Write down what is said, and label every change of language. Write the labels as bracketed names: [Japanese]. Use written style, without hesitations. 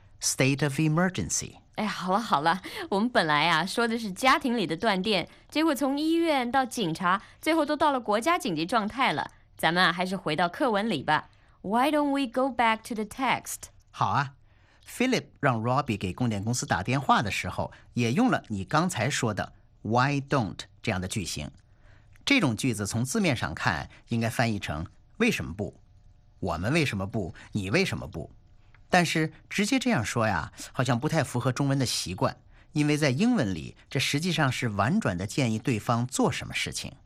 [English] state of emergency. [Chinese] 哎，好了好了，我们本来啊说的是家庭里的断电，结果从医院到警察，最后都到了国家紧急状态了。咱们啊还是回到课文里吧。 [English] Why don't we go back to the text? [Chinese] 好啊。 Philip 让 Robbie 给供电公司打电话的时候，也用了你刚才说的 why don't 这样的句型。这种句子从字面上看，应该翻译成为什么不？我们为什么不？你为什么不？但是直接这样说呀，好像不太符合中文的习惯，因为在英文里，这实际上是婉转的建议对方做什么事情。